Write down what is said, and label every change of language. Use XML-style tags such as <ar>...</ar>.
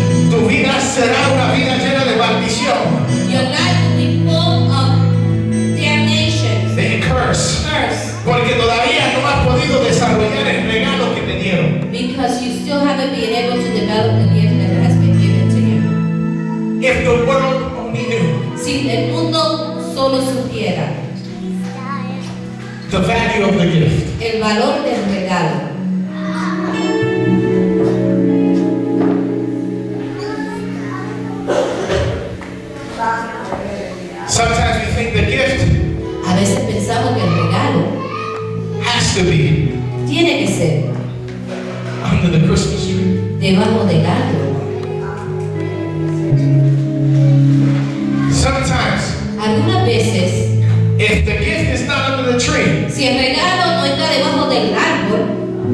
<es>Tu vida será una vida llena de maldición.</es> <en>Your life will be full of damnation.</en> <es>De curse.</es> <en>Curse.</en> <es>Porque todavía no has podido desarrollar el regalo que te dieron.</es> <en>Because you still haven't been able to develop the gift that has been given to you. If the world only knew.</en> <es>Si el mundo solo supiera.</es> <en>The value of the gift.</en> <es>El valor del regalo.</es> <en>Sometimes we think the gift</en> <es>a veces pensamos que el regalo</es> <en>has to be</en> <es>tiene que ser</es> <en>under the Christmas tree.</en> <es>Debajo del árbol.</es> <en>Sometimes</en> <es>algunas veces</es> <en>if the gift is not under the tree</en> <es>si el regalo no está debajo del árbol</es>